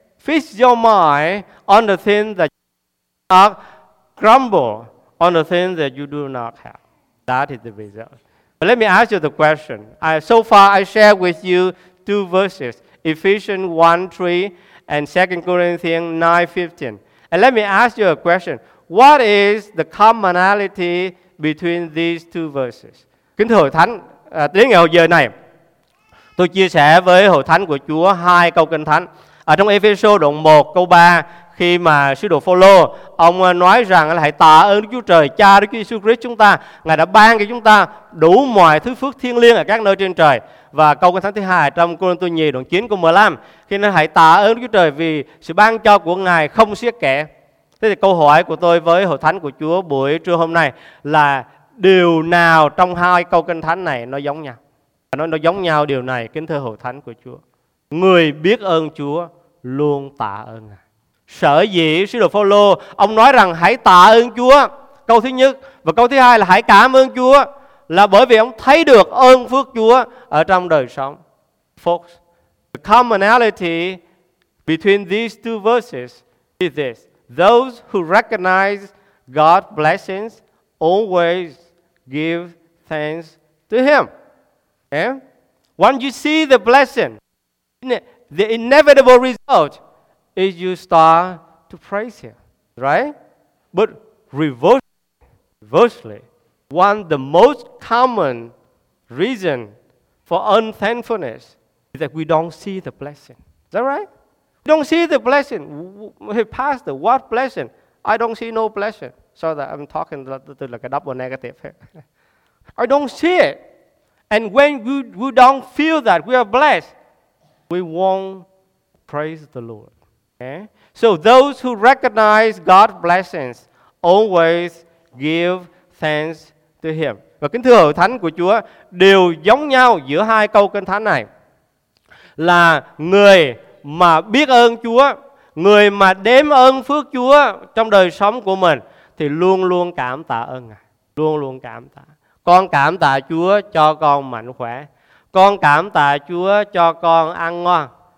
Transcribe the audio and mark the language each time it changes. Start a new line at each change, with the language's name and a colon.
English: Fix your mind on the things that you do not grumble, on the things that you do not have. That is the result. But let me ask you the question. So far, I share with you two verses, Ephesians 1:3 and 2 Corinthians 9:15. And let me ask you a question. What is the commonality between these two verses?
Vietnamese: Kính thưa hội thánh, đến ngày hồi giờ này, tôi chia sẻ với hội thánh của Chúa hai câu kinh thánh. Trong Ê-phê-sô đoạn 1 câu 3, khi mà sứ đồ Phaolô ông nói rằng là hãy tạ ơn Đức Chúa Trời Cha Đức Chúa Jesus Christ chúng ta, Ngài đã ban cho chúng ta đủ mọi thứ phước thiêng liêng ở các nơi trên trời. Và câu kinh thánh thứ hai trong Cô-rinh-tô nhì đoạn 9 câu 15, khi nói hãy tạ ơn Đức Chúa Trời vì sự ban cho của Ngài không xiết kẽ. Thế thì câu hỏi của tôi với hội thánh của Chúa buổi trưa hôm nay là điều nào trong hai câu kinh thánh này nó giống nhau? Nó giống nhau điều này, kính thưa hội thánh của Chúa. Người biết ơn Chúa luôn tạ ơn Ngài. Sở dĩ sứ đồ Phaolô ông nói rằng hãy tạ ơn Chúa, câu thứ nhất, và câu thứ hai là hãy cảm ơn Chúa, là bởi vì ông thấy được ơn phước Chúa ở trong đời sống.
English: Folks, the commonality between these two verses is this: those who recognize God's blessings always give thanks to Him. Okay? Once you see the blessing, the inevitable result is you start to praise Him. Right? But reversely, one of the most common reason for unthankfulness is that we don't see the blessing. Is that right? We don't see the blessing. Hey, pastor, what blessing? I don't see no blessing. So that I'm talking to like a double negative here. I don't see it. And when we don't feel that we are blessed, we won't praise the Lord. Okay? So those who recognize God's blessings always give thanks to Him.
Vietnamese: Và kính thưa hội thánh của Chúa, điều giống nhau giữa hai câu kinh thánh này là người mà biết ơn Chúa, người mà đếm ơn phước Chúa trong đời sống của mình thì luôn luôn cảm tạ ơn Ngài, luôn luôn cảm tạ. Con cảm tạ Chúa cho con mạnh khỏe. Con cảm tạ Chúa cho con ăn ngon.